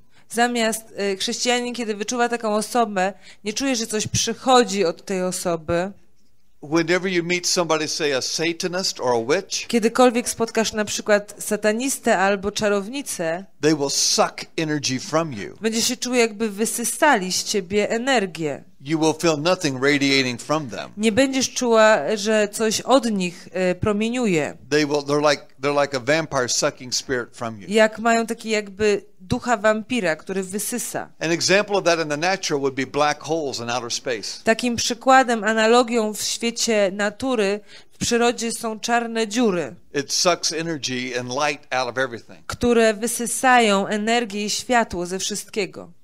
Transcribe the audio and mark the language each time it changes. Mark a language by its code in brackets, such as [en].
[pl] zamiast chrześcijanin, kiedy wyczuwa taką osobę, nie czuje, że coś przychodzi od tej osoby. [en] Whenever you meet somebody, say a Satanist or a witch, [pl] kiedykolwiek spotkasz na przykład satanistę albo czarownicę, [en] they will suck energy from you. [pl] Będzie się czuł, jakby wysysali z ciebie energię. [en] You will feel nothing radiating from them. [pl] Nie będziesz czuła, że coś od nich promieniuje. [en] They're like a vampire sucking spirit from you. [pl] Jak mają taki jakby ducha wampira, który wysysa. [en] An example of that in the natural would be black holes in outer space. [pl] Takim przykładem, analogią w świecie natury, w przyrodzie są czarne dziury. [en] It sucks energy and light out of everything. [pl] Które wysysają energię i światło ze wszystkiego.